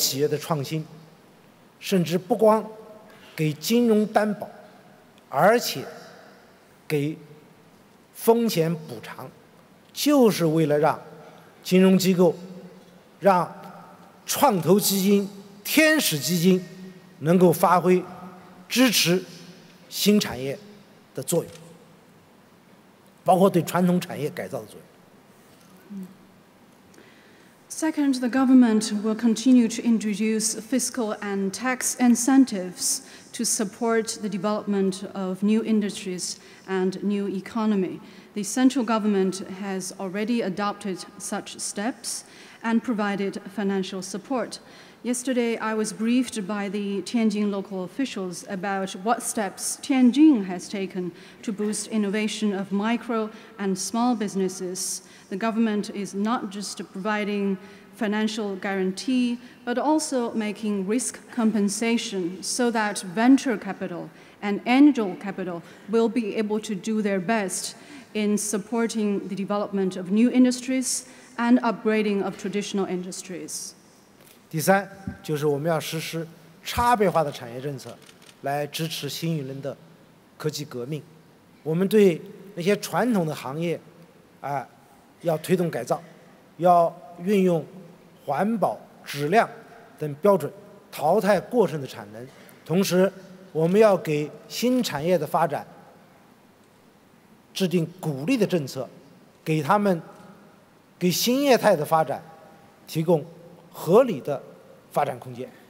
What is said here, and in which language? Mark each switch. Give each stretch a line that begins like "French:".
Chinese: 第二，就是我们要实施支持创新发展新产业的财税政策。中央政府已经出台了一系列税收优惠、金融支持的政策。昨天我在天津市听他们汇报，他们对小微企业的创新，甚至不光 给金融担保，而且给风险补偿，就是为了让金融机构、让创投基金、天使基金能够发挥支持新产业的作用，包括对传统产业改造的作用。
English: Second, the government will continue to introduce fiscal and tax incentives to support the development of new industries and new economy. The central government has already adopted such steps and provided financial support. Yesterday, I was briefed by the Tianjin local officials about what steps Tianjin has taken to boost innovation of micro and small businesses. The government is not just providing financial guarantee, but also making risk compensation so that venture capital and angel capital will be able to do their best in supporting the development of new industries and upgrading of traditional industries.
Chinese: 第三，就是我们要实施差别化的产业政策来支持新一轮的科技革命。我们对那些传统的行业要推动改造，要运用环保、质量等标准淘汰过剩的产能，同时我们要给新产业的发展制定鼓励的政策，给他们给新业态的发展提供合理的发展空间。